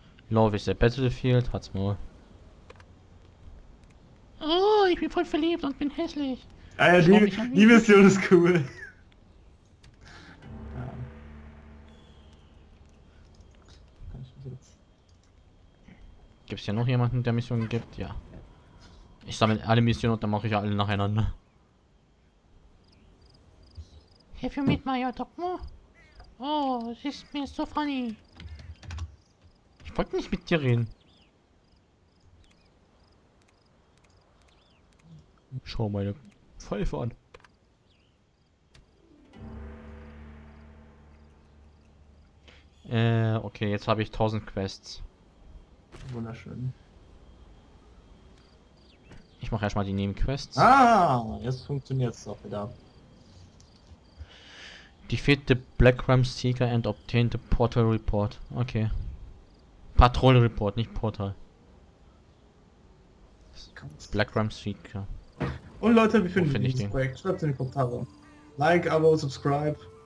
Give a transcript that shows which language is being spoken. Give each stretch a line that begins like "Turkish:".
English: Love is the Battlefield,
German: hat's mal. Oh, ich bin voll verliebt und bin hässlich. Ah ja, die Mission ist cool. Gibt's hier noch jemanden, der Missionen gibt? Ja. Ich sammle alle Missionen und dann mache ich alle nacheinander.
English: Have you met my doctor? Oh, this is so funny.
German: Ich wollte nicht mit dir reden. Schau meine Pfeife an. Okay, jetzt habe ich 1000 Quests. Wunderschön. Ich mache erstmal die Nebenquests. Ah, jetzt funktioniert es doch wieder.
English: Defeat the Black Ram Seeker and obtain the Portal Report. Okay.
German: Patrol Report, nicht Portal.
English: Black Ram Seeker.
German: Und Leute, wie findet ihr dieses Projekt? Schreibt es in die Kommentare. Like, Abo, Subscribe.